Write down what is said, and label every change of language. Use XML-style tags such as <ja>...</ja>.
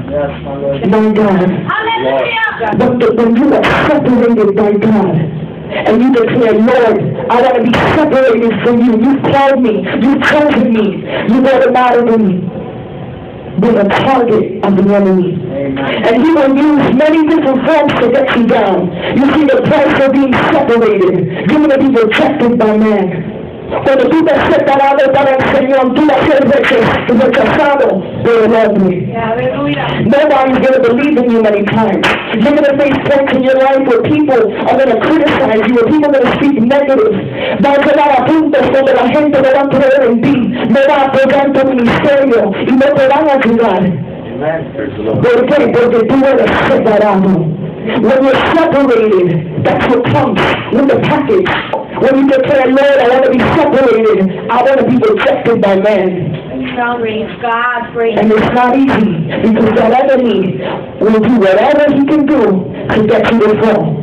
<en>But when you are separated by God, and you declare, Lord, I want to be separated from you. You called me. You chosen me. You got a matter of me. Been a target of the enemy. Amen. And he will use many different forms to get you down. You see the price of being separated. You're going to be rejected by man.</en> <es>Cuando tú te separado para el Señor, tú vas a ser rechazado por el hombre.</es> <en>Nobody is going to believe in you many times. You're going to face points in your life where people are going to criticize you, where people are going to speak negative.</en> <es>Va a llegar a puntos donde la gente no va a creer en ti, no va a apoyar tu ministerio y no te van a ayudar. ¿Por qué? Porque tú eres separado.</es> <en>When you're separated, that's what comes with the package. When you declare, Lord, I want to be separated, I want to be rejected by man. God, and it's not easy, because that enemy will do whatever he can do to get you to fall.</en>